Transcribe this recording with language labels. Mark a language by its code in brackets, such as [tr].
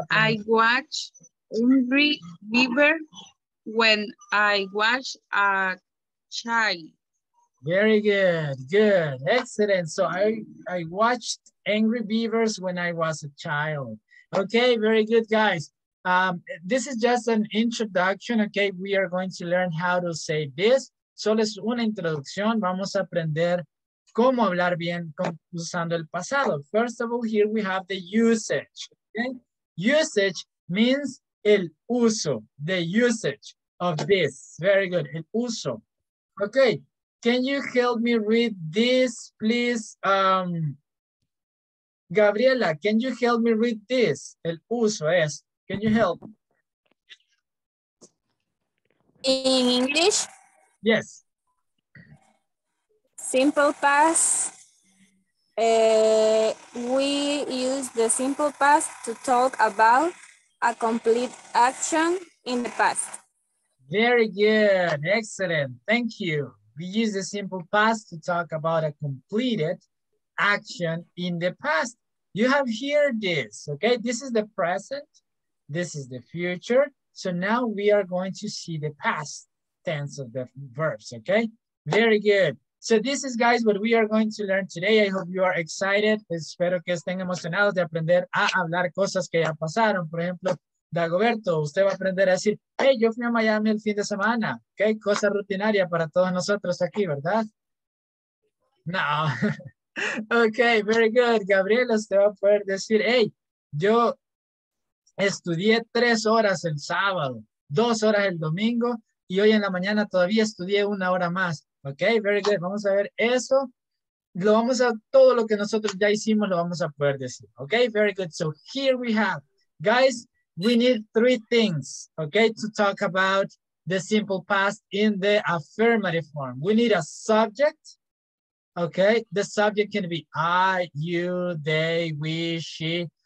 [en] I watch Angry Beaver when I watch a child. Very good, good, excellent. So I watched Angry Beavers when I was a child. Okay, very good, guys. This is just an introduction, okay? We are going to learn how to say this. [es] Solo es una introducción. Vamos a aprender cómo hablar bien usando el pasado. [en] First of all, here we have the usage, okay? Usage means [es] el uso, [en] the usage of this. Very good, [es] el uso, [en] okay? Can you help me read this, please? Gabriela, can you help me read this? [es] El uso es. [en] Can you help? In English? Yes. Simple past. We use the simple past to talk about a complete action in the past. Very good. Excellent. Thank you. We use the simple past to talk about a completed action in the past. You have here this, okay? This is the present, this is the future. So now we are going to see the past tense of the verbs, okay? Very good. So this is, guys, what we are going to learn today. I hope you are excited. [es] Espero que estén emocionados de aprender a hablar cosas que ya pasaron. Por ejemplo, Dagoberto, usted va a aprender a decir, hey, yo fui a Miami el fin de semana. Okay, cosa rutinaria para todos nosotros aquí, ¿verdad? No. [en] Okay, very good. [es] Gabriel, usted va a poder decir, hey, yo estudié 3 horas el sábado, 2 horas el domingo, y hoy en la mañana todavía estudié 1 hora más. Okay, very good. Vamos a ver eso. Lo vamos a, todo lo que nosotros ya hicimos, lo vamos a poder decir. [en] Okay, very good. So here we have, guys, we need 3 things, okay, to talk about the simple past in the affirmative form. We need a subject, okay? The subject can be I, you, they, we, she.